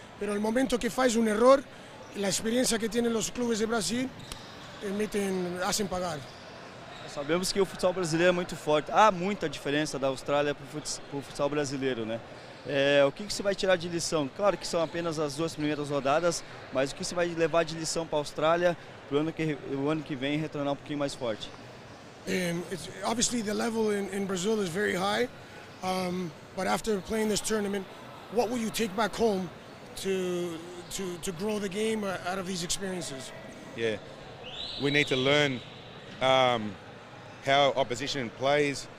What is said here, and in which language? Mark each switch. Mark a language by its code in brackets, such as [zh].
[es] Pero el momento que faz un error, la experiencia que tienen los clubes de Brasil hacen pagar. [pt] Sabemos que o futsal brasileiro é muito forte. Há muita diferença da Austrália para o futsal brasileiro, né? O que você vai tirar de lição? Claro que são apenas as duas primeiras rodadas, mas o que você vai levar de lição para a Austrália para o ano que vem retornar um pouquinho mais forte? [en] Obviously the level in Brazil is very high, but after playing this tournament, what will you take back home to grow the game out of these experiences? Yeah, we need to learn how opposition plays.